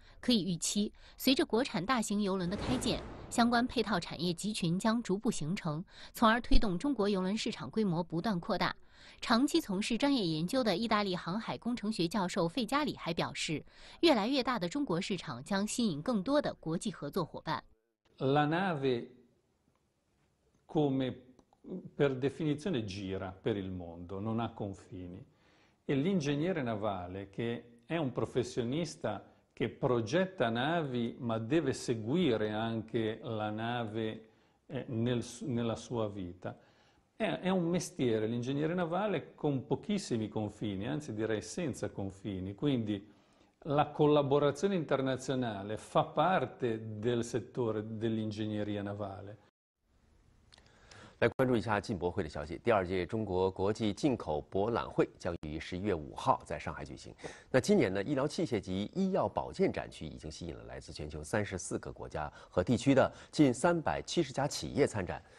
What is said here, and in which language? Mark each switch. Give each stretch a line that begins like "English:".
Chinese: 可以预期，随着国产大型邮轮的开建，相关配套产业集群将逐步形成，从而推动中国邮轮市场规模不断扩大。长期从事专业研究的意大利航海工程学教授费加里还表示，越来越大的中国市场将吸引更多的国际合作伙伴。
Italian: La nave come per definizione gira per il mondo, non ha confini. E l'ingegnere navale, che è un professionista che progetta navi, ma deve seguire anche la nave nella sua vita, è un mestiere, l'ingegnere navale, con pochissimi confini, anzi direi senza confini. Quindi la collaborazione internazionale fa parte del settore dell'ingegneria navale.
Chinese: 来关注一下进博会的消息。第二届中国国际进口博览会将于11月5号在上海举行。那今年呢，医疗器械及医药保健展区已经吸引了来自全球34个国家和地区的近370家企业参展。